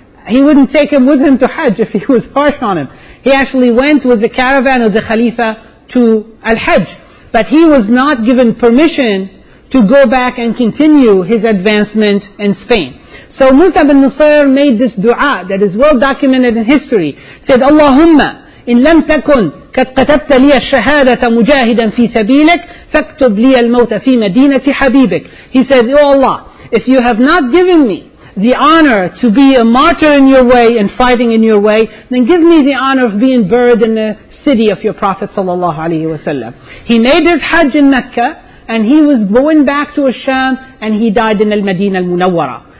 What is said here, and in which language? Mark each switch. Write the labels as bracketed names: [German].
[English] He wouldn't take him with him to Hajj if he was harsh on him. He actually went with the caravan of the Khalifa to Al-Hajj. But he was not given permission to go back and continue his advancement in Spain. So Musa ibn Nusayr made this dua that is well documented in history. [Arabic] Said, Allahumma, إن لم تكن قد كتبت لي الشهادة مجاهدا في سبيلك فاكتب لي الموت في مدينة حبيبك. [English] He said, Oh Allah, if you have not given me the honor to be a martyr in your way and fighting in your way, then give me the honor of being buried in the city of your Prophet صلى الله عليه وسلم. He made his Hajj in Mecca, and he was going back to Al-Sham, and he died in Al-Madina Al-Munawwara.